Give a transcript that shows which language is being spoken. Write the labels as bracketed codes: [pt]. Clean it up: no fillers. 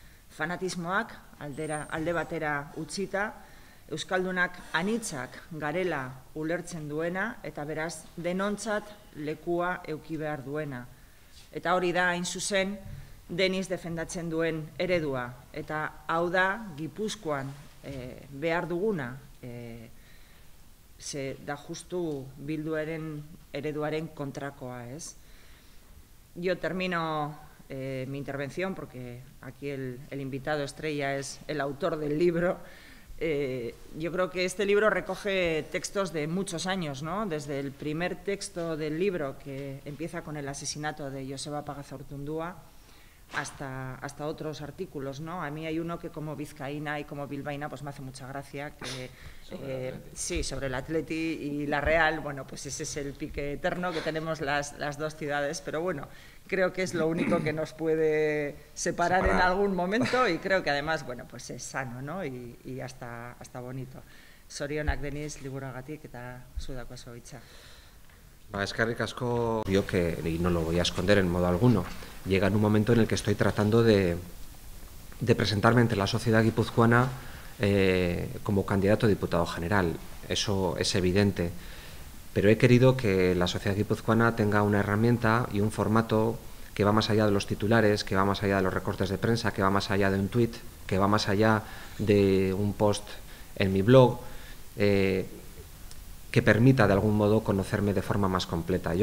[eu] Fanatismoak alde batera utzita, euskaldunak anitzak garela ulertzen duena eta beraz denontzat lekua eduki behar duena. Eta hori da, hain zuzen, Denis defendatzen duen eredua. Eta hau da, Gipuzkoan behar duguna, ze da justu bilduaren ereduaren kontrakoa, ez? [es] Yo termino mi intervención porque aquí el invitado estrella es el autor del libro. Yo creo que este libro recoge textos de muchos años, ¿no? Desde el primer texto del libro, que empieza con el asesinato de Joseba Pagazaurtundúa, hasta otros artículos, ¿no? A mí hay uno que, como vizcaína y como bilbaína, pues me hace mucha gracia, que sobre el Atleti y la Real, bueno, pues ese es el pique eterno que tenemos las dos ciudades, pero bueno, creo que es lo único que nos puede separar en algún momento, y creo que además, bueno, pues es sano, ¿no? Y hasta bonito. [eu] Sorionak deniz, liburuagatik eta zudako zoritza. Eskerrik asko, [es] yo que, y no lo voy a esconder en modo alguno, llega en un momento en el que estoy tratando de presentarme ante la sociedad guipuzcoana como candidato a diputado general. Eso es evidente. Pero he querido que la sociedad guipuzcoana tenga una herramienta y un formato que va más allá de los titulares, que va más allá de los recortes de prensa, que va más allá de un tuit, que va más allá de un post en mi blog, que permita de algún modo conocerme de forma más completa.